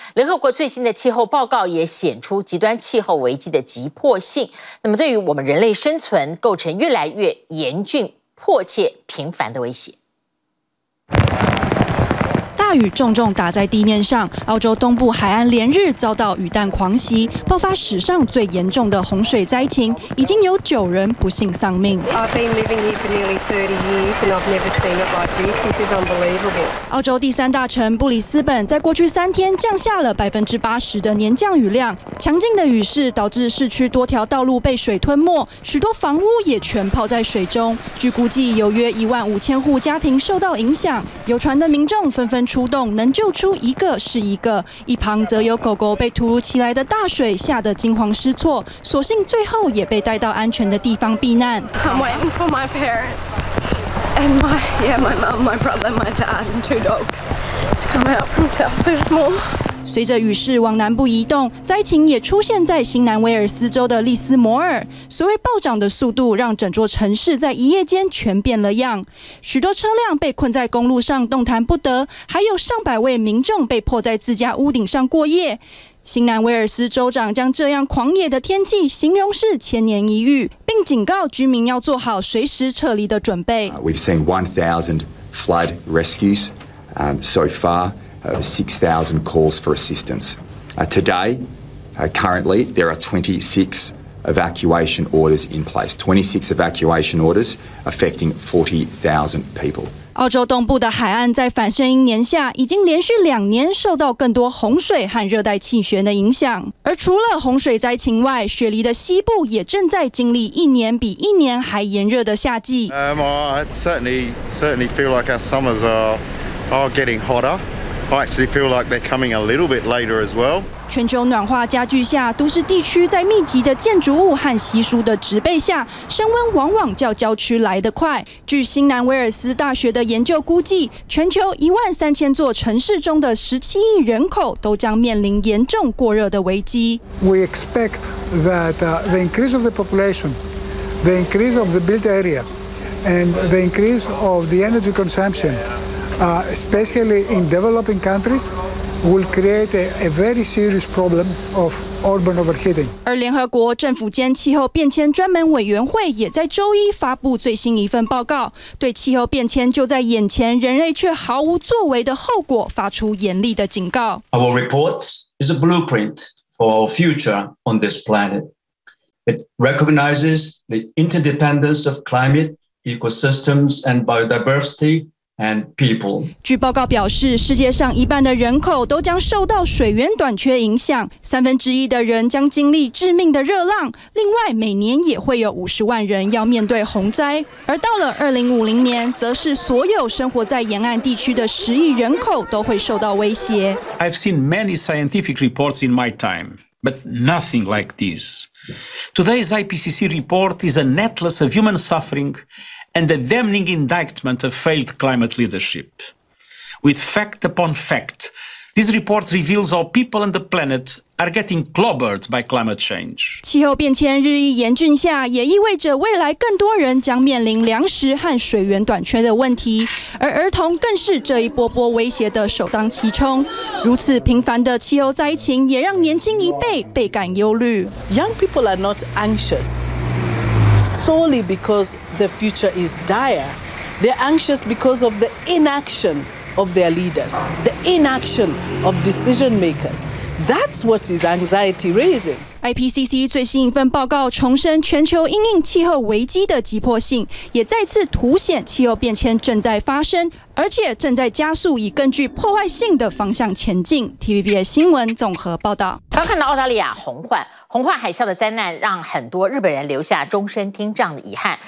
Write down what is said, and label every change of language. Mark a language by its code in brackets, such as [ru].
[zh] 联合国最新的气候报告也显出极端气候危机的急迫性，那么对于我们人类生存构成越来越严峻、迫切、频繁的威胁。大雨重重打在地面上，澳洲东部海岸连日遭到雨弹狂袭，爆发史上最严重的洪水灾情，已经有九人不幸丧命。 [en] I've been living here for nearly 30 years and I've never seen it like this. This is unbelievable. [zh] 澳洲第三大城布里斯本在过去三天降下了80%的年降雨量，强劲的雨势导致市区多条道路被水吞没，许多房屋也全泡在水中。据估计，有约15,000户家庭受到影响，有船的民众纷纷出动，能救出一个是一个，一旁则有狗狗被突如其来的大水吓得惊慌失措，所幸最后也被带到安全的地方避难。 [en] I'm waiting for my parents and my mom, my brother, my dad and two dogs to come out from Southbridge Mall。 [zh] 随着雨势往南部移动，灾情也出现在新南威尔斯州的利斯摩尔。所谓暴涨的速度让整座城市在一夜间全变了样，许多车辆被困在公路上动弹不得，还有上百位民众被迫在自家屋顶上过夜。新南威尔斯州长将这样狂野的天气形容是千年一遇，并警告居民要做好随时撤离的准备。 [en] We've seen 1,000 flood rescues so far. 6,000 calls for assistance. Today, currently, there are 26 evacuation orders in place. 26 evacuation orders affecting 40,000 people. [zh] 澳洲东部的海岸在反声音年下已经连续两年受到更多洪水和热带气旋的影响，而除了洪水灾情外，雪梨的西部也正在经历一年比一年还炎热的夏季。 [en] I certainly feel like our summers are getting hotter. I actually feel like they're coming a little bit later as well. [zh] 全球暖化加剧下，都市地区在密集的建筑物和稀疏的植被下，升温往往较郊区来得快。据新南威尔斯大学的研究估计，全球13,000座城市中的17亿人口都将面临严重过热的危机。 [en] We expect that the increase of the population, the increase of the built area, and the increase of the energy consumption, especially in developing countries. Will create a very serious problem of urban overheating. [zh] 而联合国政府间气候变迁专门委员会也在周一发布最新一份报告，对气候变迁就在眼前，人类却毫无作为的后果发出严厉的警告。 [en] Our report is a blueprint for our future on this planet. It recognizes the interdependence of climate, ecosystems, and biodiversity. and people. [zh] 据报告表示，世界上一半的人口都将受到水源短缺影响，三分之一的人将经历致命的热浪，另外每年也会有500,000人要面对洪灾。而到了2050年，则是所有生活在沿岸地区的10亿人口都会受到威胁。 [en] I've seen many scientific reports in my time. But nothing like this. Today's IPCC report is an atlas of human suffering and a damning indictment of failed climate leadership. With fact upon fact, this report reveals how people and the planet are getting clobbered by climate change. [zh] 气候变迁日益严峻下，也意味着未来更多人将面临粮食和水源短缺的问题，而儿童更是这一波波威胁的首当其冲。如此频繁的气候灾情也让年轻一辈倍感忧虑。 [en] Young people are not anxious solely because the future is dire. They're anxious because of the inaction of their leaders, the inaction of decision makers. That's what is anxiety raising. [zh] IPCC 最新一份报告重申全球因应气候危机的急迫性，也再次凸显气候变迁正在发生，而且正在加速以更具破坏性的方向前进。 TVBS 新闻综合报道。刚看到澳大利亚洪患海啸的灾难，让很多日本人留下终身听障的遗憾。